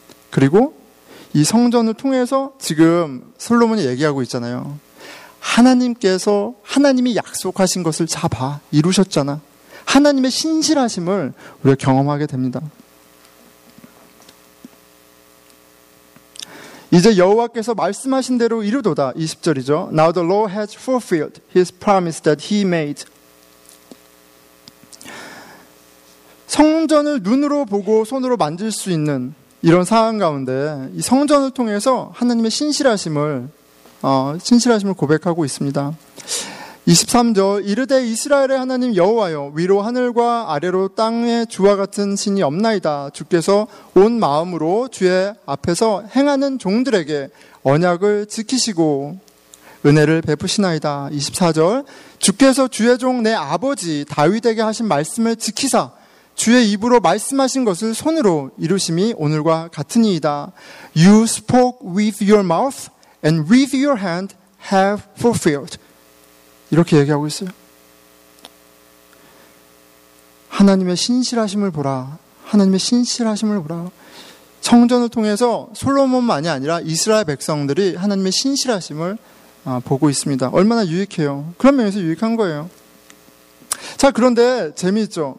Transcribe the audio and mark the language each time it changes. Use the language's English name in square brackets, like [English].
[Korean] 그리고 이 성전을 통해서 지금 솔로몬이 얘기하고 있잖아요. 하나님께서, 하나님이 약속하신 것을 잡아 이루셨잖아. 하나님의 신실하심을 우리가 경험하게 됩니다. 이제 여호와께서 말씀하신 대로 이르도다. 20절이죠. [English] Now the Lord has fulfilled his promise that he made. [Korean] 성전을 눈으로 보고 손으로 만질 수 있는 이런 상황 가운데 이 성전을 통해서 하나님의 신실하심을 고백하고 있습니다. 23절 이르되 이스라엘의 하나님 여호와여 위로 하늘과 아래로 땅에 주와 같은 신이 없나이다. 주께서 온 마음으로 주의 앞에서 행하는 종들에게 언약을 지키시고 은혜를 베푸시나이다. 24절 주께서 주의 종 내 아버지 다윗에게 하신 말씀을 지키사 주의 입으로 말씀하신 것을 손으로 이루심이 오늘과 같으니이다. [English] You spoke with your mouth and with your hand have fulfilled. [Korean] 이렇게 얘기하고 있어요. 하나님의 신실하심을 보라. 하나님의 신실하심을 보라. 성전을 통해서 솔로몬만이 아니라 이스라엘 백성들이 하나님의 신실하심을 보고 있습니다. 얼마나 유익해요. 그런 면에서 유익한 거예요. 자, 그런데 재미있죠.